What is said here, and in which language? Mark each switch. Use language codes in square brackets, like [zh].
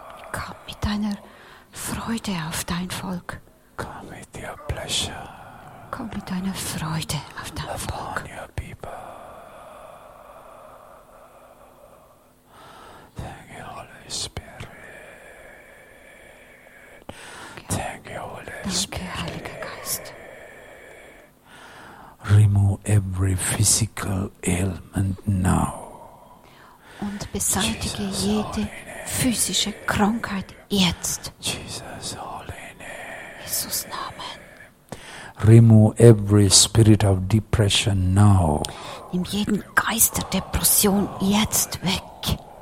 [de] Komm mit deiner Freude auf dein Volk. [en] Come with your pleasure. [de] Komm mit deiner Freude auf dein Volk. [en] Upon your people. Thank you, Holy Spirit. Thank you, Holy [de] Danke, [en] Spirit. [de] Heiliger Geist. [en] Remove every physical ailment now. [de] Und beseitige Jesus, jede physische Krankheit jetzt. [en] Jesus, Holy Name. Jesus Name. Remove every spirit of depression now. [de] Nimm jeden Geist der Depression jetzt weg.